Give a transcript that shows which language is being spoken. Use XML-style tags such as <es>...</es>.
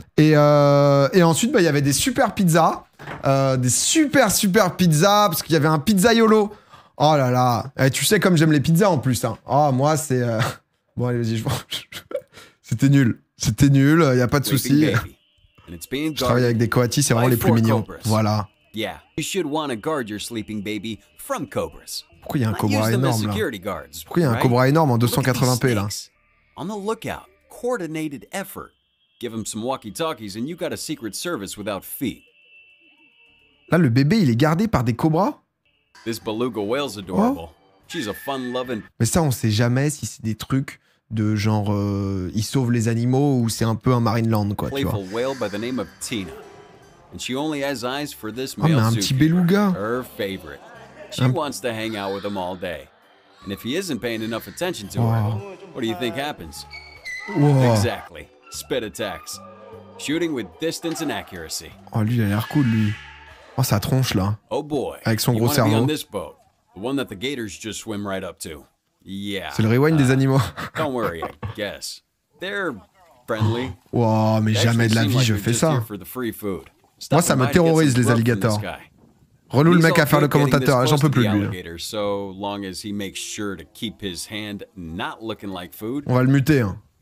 <fr>Et ensuite, bah, il y avait des super pizzas. Des super, super pizzas, parce qu'il y avait un pizzaiolo. Oh là là. Et tu sais comme j'aime les pizzas, en plus. Hein. Oh, moi, c'est... Bon, allez, vas-y. C'était nul. C'était nul, il n'y a pas de souci. Je travaille avec des coatis, c'est vraiment les plus mignons. Voilà.</fr> <en>Yeah, you should want to guard your sleeping baby from cobras.</en> <fr>Pourquoi il y a un cobra énorme là? Pourquoi il y a un cobra énorme en 280p là?</fr> <en>On the lookout, coordinated effort. Give him some walkie-talkies and you got a secret service without fee.</en> <fr>Là, le bébé, il est gardé par des cobras? This beluga whale's adorable. She's a fun-loving. Mais ça, on sait jamais si c'est des trucs de genre ils sauvent les animaux ou c'est un peu un Marineland quoi, tu vois.</fr> <en>Whale by the name of Tina. And she only has eyes for this male zookeeper. Oh, mais un petit beluga. Her favorite. She wants to hang out with him all day. And if he isn't paying enough attention to her, what do you think happens? Exactly. Spit attacks. Shooting with distance and accuracy.</en> <fr>Oh, lui, il a l'air cool, lui. Oh, sa tronche, là. Oh boy. Avec son gros cerveau.</fr> <en>On this boat, the one that the gators just swim right up to. Yeah. C'est le rewind des animaux. Don't worry, I guess. They're friendly.</en> <fr>Wow, mais jamais de la vie, je fais ça. Moi, ça me terrorise, les alligators. Relou le mec à faire le commentateur, j'en peux plus, lui. On va le muter, hein.</fr>